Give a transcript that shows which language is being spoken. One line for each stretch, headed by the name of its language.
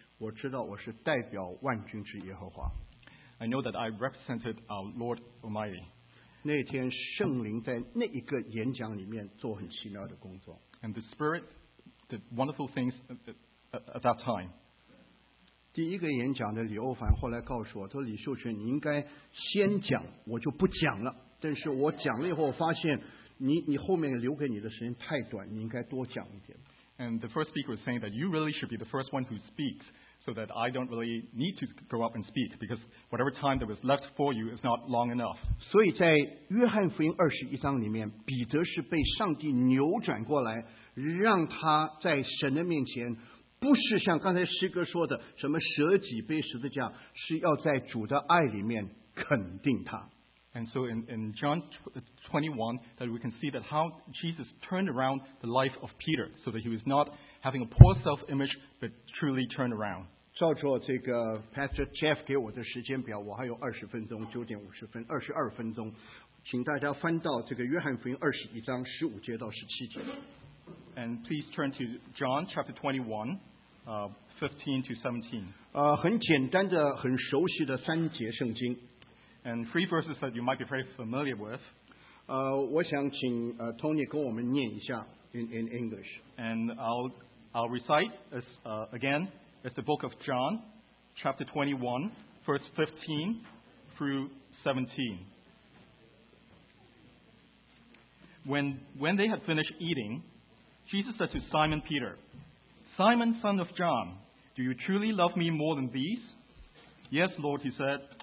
Chinese: 我知道我是代表万军之耶和华。
English: I know that I represented our Lord Almighty.
Chinese: 那天圣灵在那一个演讲里面做很奇妙的工作。
English: And the Spirit did wonderful things at that time.
Chinese: 第一个演讲的李欧凡后来告诉我，他说：“李秀全，你应该先讲，我就不讲了。但是我讲了以后，我发现你后面留给你的时间太短，你应该多讲一点。”
English: And the first speaker was saying that you really should be the first one who speaks, so that I don't really need to go up and speak because whatever time that was left for you is not long enough.
Chinese: 所以在约翰福音二十一章里面，彼得是被上帝扭转过来，让他在神的面前，不是像刚才诗歌说的什么舍己背十字架，是要在主的爱里面肯定他。
English: And so in John 21, that we can see that how Jesus turned around the life of Peter, so that he was not having a poor self-image, but truly turned around.
Chinese: 照着这个 Pastor Jeff 给我的时间表，我还有二十分钟，九点五十分，二十二分钟，请大家翻到这个约翰福音二十一章十五节到十七节。
English: And please turn to John chapter 21, 15 to 17.
Chinese: 很简单的，很熟悉的三节圣经。
English: And three verses that you might be very familiar with.
Chinese: 我想请Tony 跟我们念一下
English: in English. And I'll recite as again. It's the book of John, chapter 21, verse 15 through 17. When they had finished eating, Jesus said to Simon Peter, "Simon, son of John, do you truly love me more than these?" "Yes, Lord," he said.